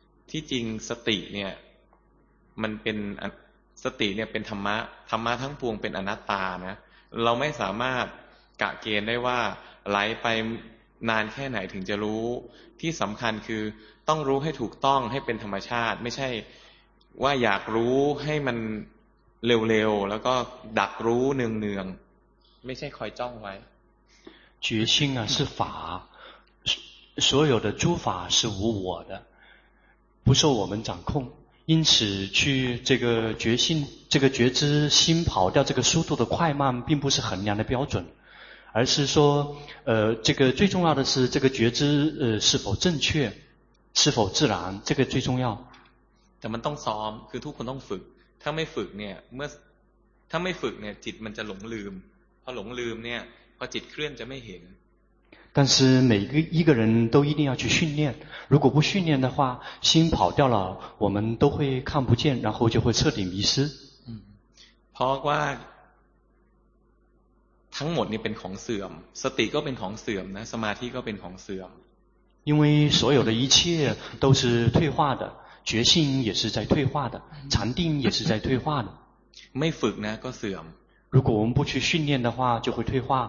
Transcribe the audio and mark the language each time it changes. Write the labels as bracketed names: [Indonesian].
[Thai] ที่จริงสติเนี่ยมันเป็นสติเนี่ยเป็นธรรมะธรรมะทั้งปวงเป็นอนัตตานะเราไม่สามารถกะเกณฑ์ได้ว่าไหลไปนานแค่ไหนถึงจะรู้ที่สำคัญคือต้องรู้ให้ถูกต้องให้เป็นธรรมชาติไม่ใช่ว่าอยากรู้ให้มันเร็วๆแล้วก็ดักรู้เนืองๆไม่ใช่คอยจ้องไว้ [Chinese] 觉性啊是法所有的诸法是无我的不受我们掌控因此去这个觉性这个觉知心跑掉这个速度的快慢并不是衡量的标准而是说这个最重要的是这个觉知是否正确是否自然这个最重要 [Thai] แต่มันต้องซ้อมคือทุกคนต้องฝึกถ้าไม่ฝึกเนี่ยเมื่อถ้าไม่ฝึกเนี่ยจิตมันจะหลงลืมพอหลงลืมเนี่ยพอจิตเคลื่อนจะไม่เห็น [Chinese] 但是每个一个人都一定要去训练如果不训练的话心跑掉了我们都会看不见然后就会彻底迷失 [Thai] เพราะว่าทั้งหมดนี่เป็นของเสื่อมสติก็เป็นของเสื่อมนะสมาธิก็เป็นของเสื่อม [Chinese] 因为所有的一切都是退化的觉性也是在退化的禅定也是在退化的 [Thai] 没ฝึก呢ก็เสื่อม [Chinese] 如果我们不去训练的话就会退化